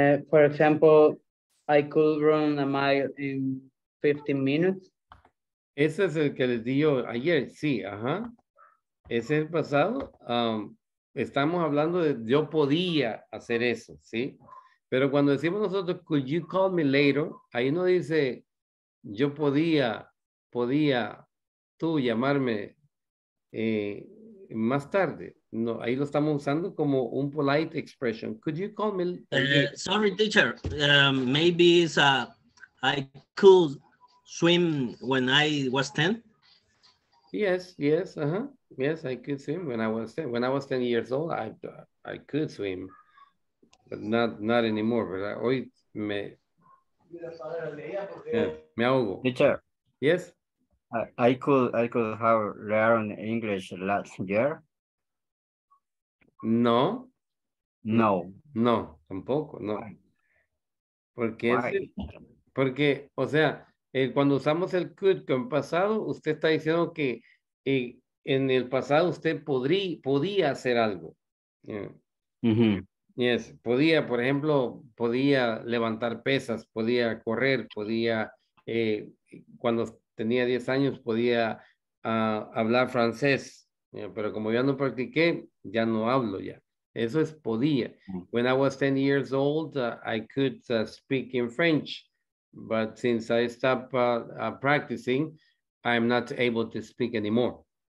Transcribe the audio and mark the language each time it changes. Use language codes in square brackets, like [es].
[en] For example, I could run a mile in 15 minutes. [es] Ese es el que les di yo ayer, sí, ajá. Ese es el pasado. Estamos hablando de yo podía hacer eso, sí. Pero cuando decimos nosotros, [en] could you call me later, [es] ahí no dice yo podía tú llamarme más tarde. No, ahí lo estamos usando como un polite expression. [en] Could you call me? Sorry, teacher. Maybe it's I could swim when I was 10. Yes. Yes, I could swim when I was 10. When I was 10 years old, I could swim, but not anymore. [es] But hoy me ahogo. [en] Teacher. Yes. I could have learned English last year. [es] No, tampoco, no. Porque, porque, o sea, cuando usamos el could con pasado, usted está diciendo que en el pasado usted podía hacer algo. Mm-hmm. Yes, podía, por ejemplo, podía levantar pesas, podía correr, podía, cuando tenía 10 años, podía hablar francés. Pero como ya no practiqué, ya no hablo ya. Eso es podía. [en] When I was 10 years old, I could speak in French. But since I stopped practicing, I'm not able to speak anymore.